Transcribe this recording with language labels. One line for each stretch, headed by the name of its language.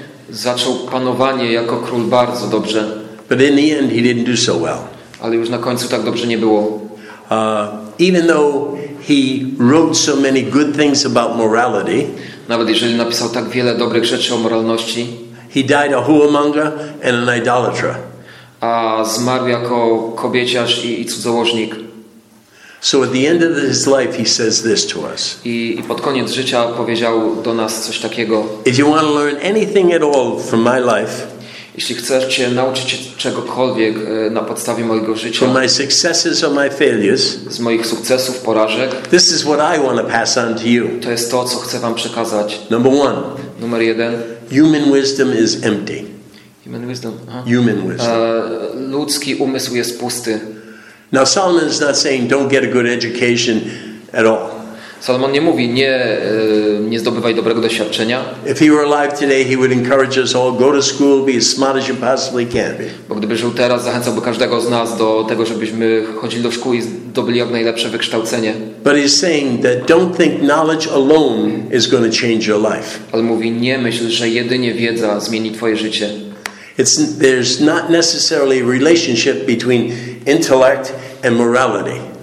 Polish: Zaczął panowanie jako król bardzo dobrze.
English: But in the end, he didn't do so well.
Polish: Ale już na końcu tak dobrze nie było.
English: Even though he wrote so many good things about morality,
Polish: nawet jeżeli napisał tak wiele dobrych rzeczy o moralności,
English: he died a whoremonger and an idolater.
Polish: A zmarł jako kobieciarz i cudzołożnik.
English: So at the end of his life, he says this to us.
Polish: I pod koniec życia powiedział do nas coś takiego.
English: If you want to learn anything at all from my life,
Polish: jeśli chcesz się nauczyć czegokolwiek na podstawie mojego życia,
English: from my successes or my failures,
Polish: z moich sukcesów, porażek,
English: this is what I want to pass on to you.
Polish: To jest to, co chcę wam przekazać.
English: Number one.
Polish: Numer jeden.
English: Human wisdom is empty. Human wisdom. Human wisdom.
Polish: Ludzki umysł jest pusty.
English: Now Solomon is not saying don't get a good education at all.
Polish: Solomon nie mówi nie zdobywaj dobrego doświadczenia.
English: If he were alive today, he would encourage us all go to school, be as smart as you possibly can be.
Polish: Bo gdyby żył teraz, zachęcałby każdego z nas do tego, żebyśmy chodzili do szkół i zdobyli jak najlepsze wykształcenie.
English: But he's saying that don't think knowledge alone is going to change your life.
Polish: Ale mówi nie myśl, że jedynie wiedza zmieni twoje życie.
English: It's there's not necessarily a relationship between intellect and morality.